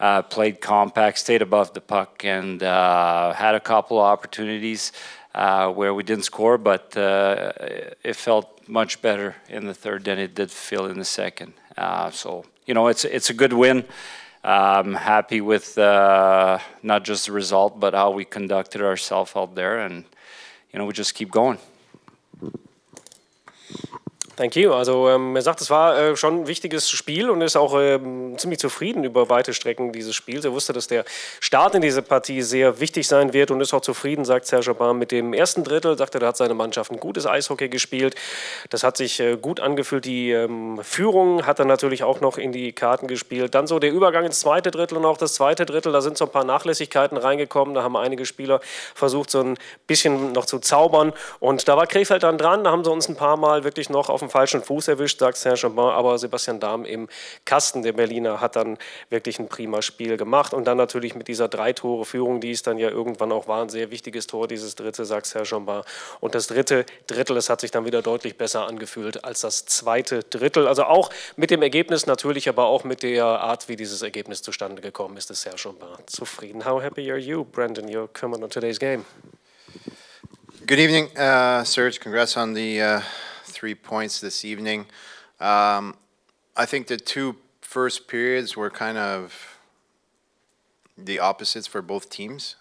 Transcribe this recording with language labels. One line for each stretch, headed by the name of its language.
English: Played compact, stayed above the puck, and had a couple of opportunities where we didn't score, but it felt much better in the third than it did feel in the second. It's a good win. I'm happy with not just the result, but how we conducted ourselves out there, and, you know, we just keep going. Thank you.
German: Also er sagt, es war schon ein wichtiges Spiel und ist auch ziemlich zufrieden über weite Strecken dieses Spiels. Er wusste, dass der Start in diese Partie sehr wichtig sein wird und ist auch zufrieden, sagt Serge Jobin, mit dem ersten Drittel. Sagt er, da hat seine Mannschaft ein gutes Eishockey gespielt. Das hat sich gut angefühlt. Die Führung hat er natürlich auch noch in die Karten gespielt. Dann so der Übergang ins zweite Drittel und auch das zweite Drittel. Da sind so ein paar Nachlässigkeiten reingekommen. Da haben einige Spieler versucht, so ein bisschen noch zu zaubern. Und da war Krefeld dann dran. Da haben sie uns ein paar Mal wirklich noch auf den falschen Fuß erwischt, sagt Serge Jobin, aber Sebastian Dahm im Kasten, der Berliner, hat dann wirklich ein prima Spiel gemacht und dann natürlich mit dieser 3-Tore-Führung, die es dann ja irgendwann auch war, ein sehr wichtiges Tor, dieses dritte, sagt Serge Jobin. Und das dritte Drittel, es hat sich dann wieder deutlich besser angefühlt als das zweite Drittel, also auch mit dem Ergebnis natürlich, aber auch mit der Art, wie dieses Ergebnis zustande gekommen ist, ist Serge Jobin zufrieden.
English: How happy are you, Brandon, you're coming on today's game? Good evening, Serge, congrats on the 3 points this evening. I think the two first periods were kind of the opposites for both teams.